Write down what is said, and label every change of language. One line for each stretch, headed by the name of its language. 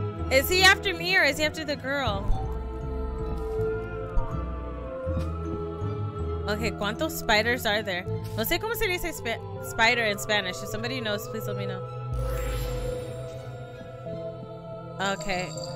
English: Is he after me or is he after the girl? Okay,
Spanish: ¿cuántos
English: spiders are there?
Spanish: No sé cómo se dice
English: spider in Spanish. If somebody knows, please let me know. Okay.